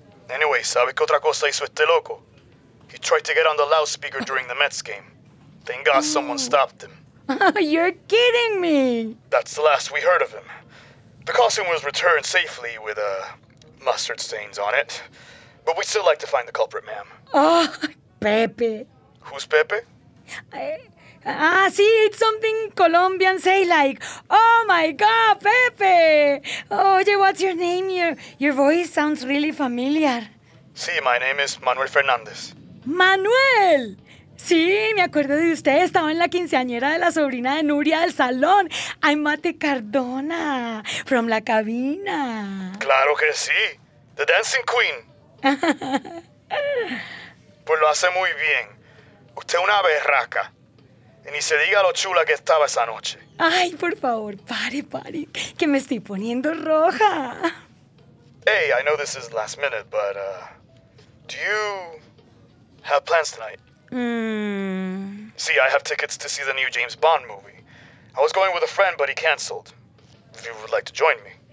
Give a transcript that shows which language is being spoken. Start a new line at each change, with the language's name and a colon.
Spanish: Anyway, ¿sabe qué otra cosa hizo este loco?
English: He tried to get on the loudspeaker during the Mets game. Thank God someone stopped him. You're kidding me. That's the last we heard of him. The costume was returned safely with mustard stains on it. But we'd still like to find the culprit, ma'am. Oh, Pepe. Who's Pepe? See, it's something Colombians say like, oh my God, Pepe! Oye, what's your name? Your voice sounds really familiar. Sí, my name is Manuel Fernández.
Spanish: Manuel! Sí, me acuerdo de usted. Estaba en la quinceañera de la sobrina de Nuria del salón.
English: I'm Matty Cardona, from la cabina.
Spanish: Claro que sí.
English: The dancing queen.
Spanish: Pues lo hace muy bien. Usted una berraca. Y ni se diga lo chula que estaba esa noche. Ay, por favor, pare. Que me estoy poniendo roja.
English: Hey, I know this is last minute, but do you have plans tonight? See, I have tickets to see the new James Bond movie. I was going with a friend, but he canceled. If you would like to join me.